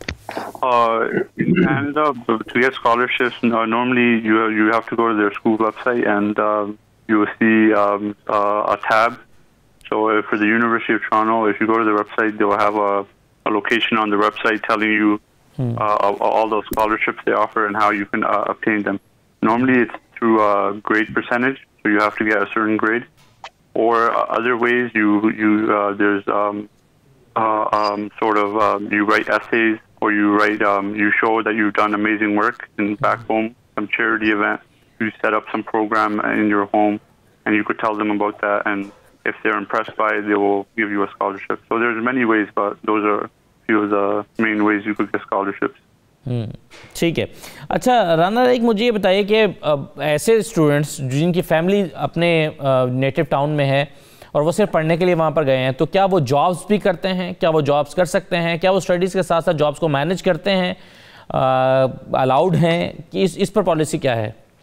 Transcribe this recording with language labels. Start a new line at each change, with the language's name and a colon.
English: To get scholarships normally you have to go to their school website and you see a tab. So for the university of Toronto, if you go to the website, they will have a location on the website telling you all those scholarships they offer and how you can obtain them. Normally it's through a grade percentage, so you have to get a certain grade, or other ways you write essays, or you write you show that you've done amazing work in back home, some charity event, you set up some program in your home, and you could tell them about that, and if they're impressed by it, they will give you a scholarship. So there's many ways, but those are
Hindi: ठीक है। अच्छा राना एक मुझे ये बताइए कि ऐसे students जिनकी फैमिली अपने नेटिव टाउन में है और वो सिर्फ पढ़ने के लिए वहाँ पर गए हैं, तो क्या वो जॉब्स भी करते हैं, क्या वो जॉब्स कर सकते हैं, क्या वो स्टडीज़ के साथ साथ जॉब्स को मैनेज करते हैं, अलाउड हैं, कि इस पर पॉलिसी क्या है?